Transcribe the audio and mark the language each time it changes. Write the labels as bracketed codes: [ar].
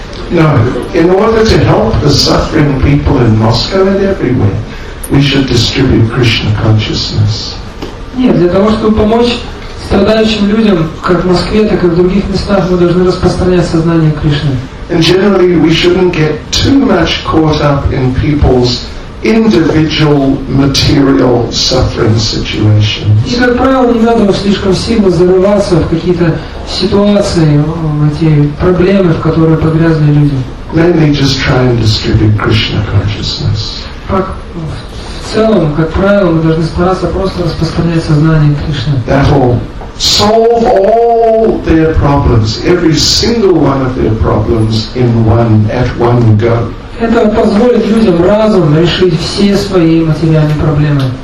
[en] No, in order to help the suffering people in Moscow and everywhere, we should distribute Krishna consciousness. [ru] Нет, для того, чтобы помочь страдающим людям, как в Москве, так и в других местах, мы должны распространять сознание Кришны. [en] And generally, we shouldn't get too much caught up in people's individual material suffering situations. [ru] И, как правило, не надо слишком сильно зарываться в какие-то ситуации, в эти проблемы, в которые погрязли люди. [en] Mainly just try and distribute Krishna consciousness. [ru] В целом, как правило, мы должны стараться просто распространять сознание Кришны. [en] That will solve all their problems, every single one of their problems in one, at one go. [ru] Это позволит людям разом решить все свои материальные проблемы.